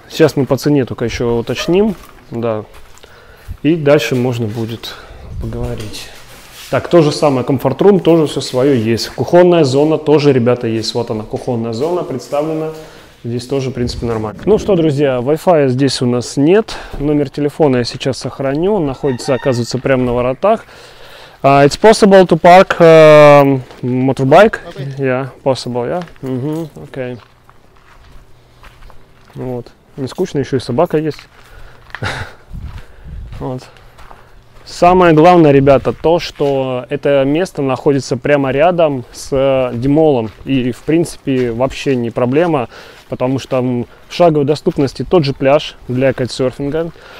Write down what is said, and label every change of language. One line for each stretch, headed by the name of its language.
Russian: Сейчас мы по цене только еще уточним, да, и дальше можно будет поговорить. Так, то же самое, комфорт-рум, тоже все свое есть. Кухонная зона тоже, ребята, есть. Вот она, кухонная зона представлена. Здесь тоже, в принципе, нормально. Ну что, друзья, Wi-Fi здесь у нас нет. Номер телефона я сейчас сохраню. Он находится, оказывается, прямо на воротах.
English: It's possible to park motorbike? Yeah, possible, yeah? Угу, окей.
Russian: Вот, не скучно, еще и собака есть. Вот. Самое главное, ребята, то, что это место находится прямо рядом с Димолом. И, в принципе, вообще не проблема, потому что там в шаговой доступности тот же пляж для кайтсерфинга.